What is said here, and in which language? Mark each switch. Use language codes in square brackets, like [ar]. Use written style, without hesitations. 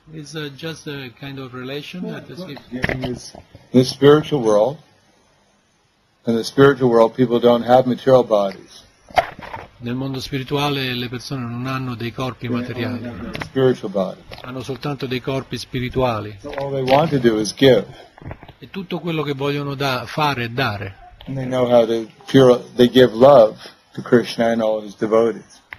[en] It's just a kind of relation. Yeah, that of is the spiritual world. In the spiritual world, people don't have material bodies. [it] Nel mondo spirituale le persone non hanno dei corpi materiali. [en] Spiritual body. [it] Hanno soltanto dei corpi spirituali. [en] So all they want to do is give. [it] E tutto quello che vogliono fare è dare. [en] And they know how to they give love to Krishna and all his devotees.